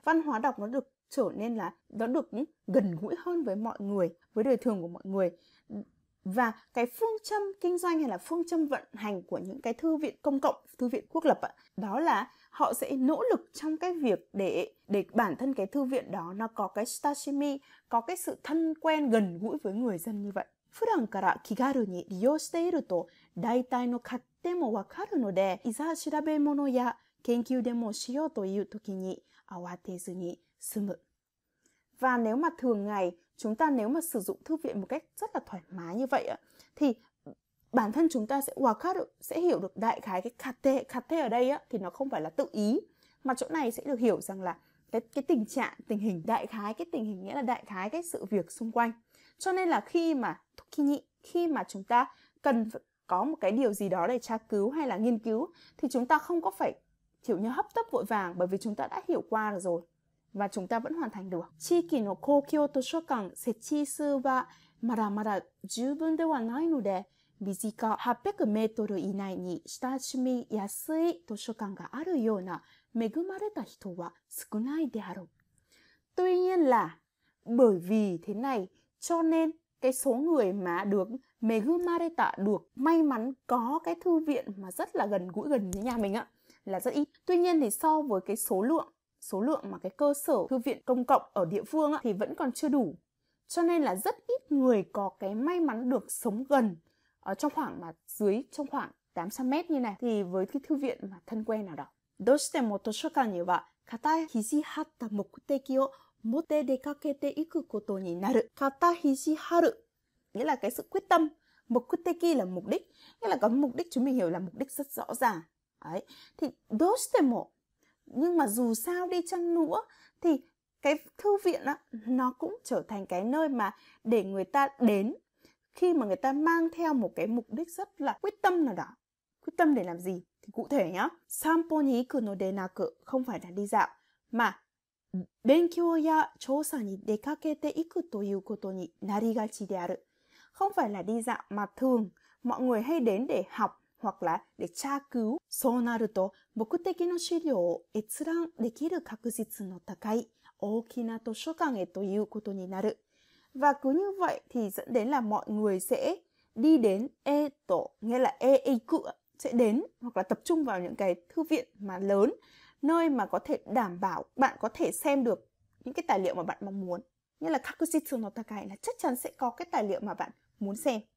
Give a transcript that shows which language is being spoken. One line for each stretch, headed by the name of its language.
Vietnamese: Văn hóa đọc nó được trở nên là nó được gần gũi hơn với mọi người, với đời thường của mọi người. Và cái phương châm kinh doanh hay là phương châm vận hành của những cái thư viện công cộng, thư viện quốc lập đó là họ sẽ nỗ lực trong cái việc để bản thân cái thư viện đó nó có cái shitashimi, có cái sự thân quen gần gũi với người dân như vậy.
Japanese: 普段から気軽に利用していると大体の勝手もわかるので、いざ調べ物や研究でもしようという時に慌てずに済む。
Vietnamese: Và nếu mà thường ngày chúng ta nếu mà sử dụng thư viện một cách rất là thoải mái như vậy thì bản thân chúng ta sẽ wakaru, sẽ hiểu được đại khái cái kate. Kate ở đây thì nó không phải là tự ý, mà chỗ này sẽ được hiểu rằng là cái tình trạng, tình hình, đại khái cái tình hình, nghĩa là đại khái cái sự việc xung quanh. Cho nên là khi mà chúng ta cần có một cái điều gì đó để tra cứu hay là nghiên cứu thì chúng ta không có phải kiểu như hấp tấp vội vàng, bởi vì chúng ta đã hiểu qua rồi và chúng ta vẫn hoàn thành được.
Japanese: 地域の公共図書館設置数はまだまだ十分ではないので、身近800メートル以内に親しみやすい図書館があるような恵まれた人は少ないであろう。
Vietnamese: Tuy nhiên là bởi vì thế này cho nên cái số người mà được megumareta, được may mắn có cái thư viện mà rất là gần gũi, gần với nhà mình á, là rất ít. Tuy nhiên thì so với cái số lượng mà cái cơ sở thư viện công cộng ở địa phương á, thì vẫn còn chưa đủ. Cho nên là rất ít người có cái may mắn được sống gần ở trong khoảng 800 mét như này thì với cái thư viện mà thân quen nào đó.
Japanese: どうしても図書館には固い肘張った目的を持って出かけていくことになる。
Vietnamese: 固肘張る nghĩa là cái sự quyết tâm. Mục đích là mục đích, nghĩa là có mục đích, chúng mình hiểu là mục đích rất rõ ràng. Đấy. Thì
Japanese: どうしても,
Vietnamese: nhưng mà dù sao đi chăng nữa thì cái thư viện á, nó cũng trở thành cái nơi mà để người ta đến khi mà người ta mang theo một cái mục đích rất là quyết tâm nào đó. Quyết tâm để làm gì thì cụ thể nhá.
Japanese: Sampo ni iku no de naku,
Vietnamese: không phải là đi dạo mà
Japanese: benkyou ya chousa ni dekakete iku ということになりがちである.
Vietnamese: Không phải là đi dạo mà thường mọi người hay đến để học hoặc là để tra cứu.
Japanese: そうなると目的の資料を閲覧できる確実の高い大きな図書館へということになる。
Vietnamese: Và cứ như vậy thì dẫn đến là mọi người sẽ đi đến e to, nghĩa là e iku, sẽ đến hoặc là tập trung vào những cái thư viện mà lớn, nơi mà có thể đảm bảo bạn có thể xem được những cái tài liệu mà bạn mong muốn. Như là
Japanese: kakushitsu no takai
Vietnamese: là chắc chắn sẽ có cái tài liệu mà bạn muốn xem.